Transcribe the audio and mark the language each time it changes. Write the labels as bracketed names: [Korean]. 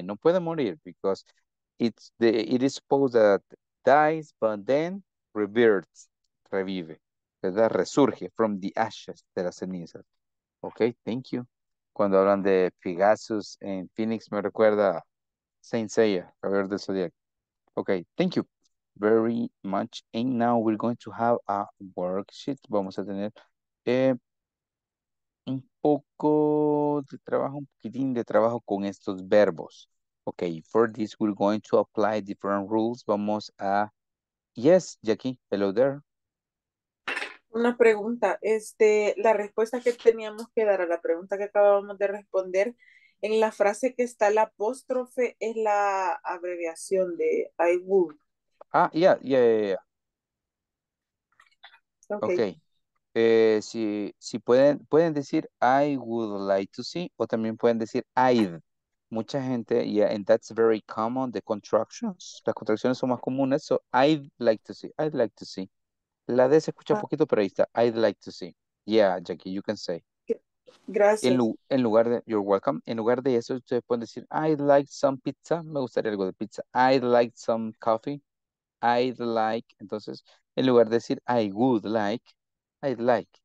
[Spanish] No puede morir [English] because it is supposed that dies, but then reverts, revive. ¿Verdad? Resurge from the ashes, [Spanish] de las cenizas. [English] Ok, thank you. [Spanish] Cuando hablan de Pegasus en Phoenix, me recuerda Saint Seiya, Caballero del Zodiaco. [English] Ok, thank you very much. And now we're going to have a worksheet. [Spanish] Vamos a tener un poco de trabajo, un poquitín de trabajo con estos verbos. [English] Ok, for this we're going to apply different rules. [Spanish] Vamos a... [English] Yes, Jackie, hello there. [Spanish] Una pregunta, la respuesta que teníamos que dar a la pregunta que acabamos de responder, en la frase que está la apóstrofe es la abreviación de I would. [English] Ah, yeah. Okay. [Spanish] Si pueden decir [English] I would like to see, [Spanish] o también pueden decir I'd. Mucha gente, [English] yeah, and that's very common, the contractions, [Spanish] las contracciones son más comunes, [English] so I'd like to see, I'd like to see. [Spanish] La D se escucha un poquito, pero ahí está. [English] I'd like to see. Yeah, Jackie, you can say. [Spanish] Gracias. En lugar de, [English] you're welcome. [Spanish] En lugar de eso, ustedes pueden decir, [English] I'd like some pizza. [Spanish] Me gustaría algo de pizza. [English] I'd like some coffee. I'd like. [Spanish] Entonces, en lugar de decir, [English] I would like, I'd like.